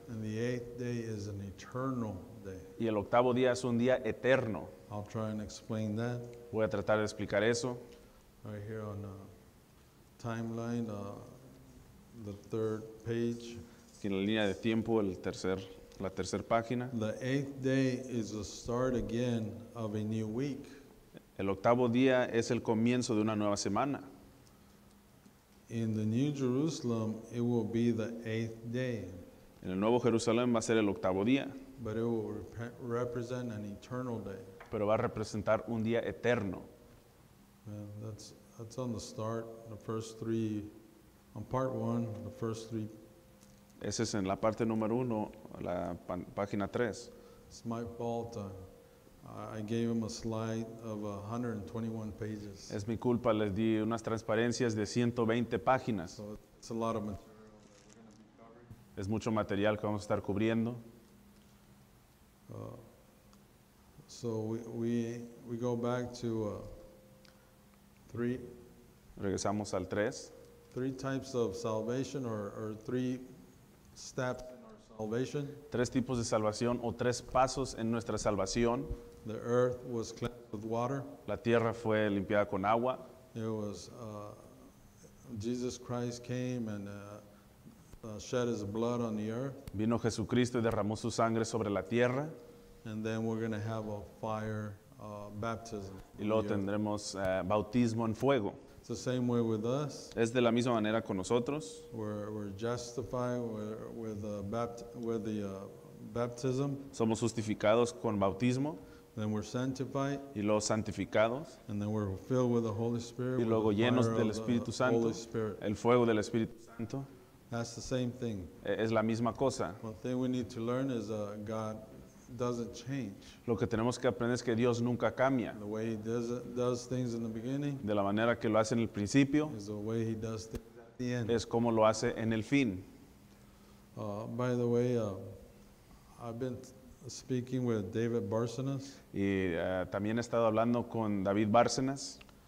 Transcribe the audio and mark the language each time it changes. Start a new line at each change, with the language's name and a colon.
English: And the eighth day is an eternal day.
Spanish: Y el octavo día es un día eterno.
English: I'll try and explain that.
Spanish: Voy a tratar de explicar eso.
English: Right here on the timeline, the third page.
Spanish: Aquí en la línea de tiempo, la tercera página.
English: The eighth day is the start again of a new week.
Spanish: El octavo día es el comienzo de una nueva semana.
English: In the New Jerusalem, it will be the eighth day.
Spanish: En el Nuevo Jerusalén va a ser el octavo día.
English: But it will represent an eternal day.
Spanish: Pero va a representar un día eterno.
English: And that's on the start, the first three, on part one, the first three.
Spanish: Ese es en la parte número uno, la página tres.
English: It's my fault. I gave him a slide of 121 pages.
Spanish: Es mi culpa, les di unas transparencias de 120 páginas.
English: So it's a lot of material.
Spanish: Es mucho material que vamos a estar cubriendo.
English: So we go back to three.
Spanish: Regresamos al tres.
English: Three types of salvation or three steps in our salvation.
Spanish: Tres tipos de salvación o tres pasos en nuestra salvación.
English: The earth was cleansed with water.
Spanish: La tierra fue limpiada con agua.
English: It was Jesus Christ came and shed his blood on the earth.
Spanish: Vino Jesucristo y derramó su sangre sobre la tierra.
English: And then we're going to have a fire baptism.
Spanish: Y luego tendremos bautismo en fuego.
English: It's the same way with us.
Spanish: Es de la misma manera con nosotros.
English: We're justified with the baptism.
Spanish: Somos justificados con bautismo.
English: Then we're sanctified.
Spanish: Y luego santificados.
English: And then we're filled with the Holy Spirit.
Spanish: Y luego llenos del Espíritu Santo.
English: Holy Spirit.
Spanish: El fuego del Espíritu Santo.
English: That's the same thing.
Spanish: Es la misma cosa.
English: One thing we need to learn is God doesn't change.
Spanish: Lo que tenemos que aprender es que Dios nunca cambia.
English: The way he does things in the beginning.
Spanish: De la manera que lo hace en el principio.
English: Is the way he does things at the end.
Spanish: Es como lo hace en el fin.
English: By the way, I've been speaking with David Bárcenas.
Spanish: Y también he estado hablando con David Bárcenas.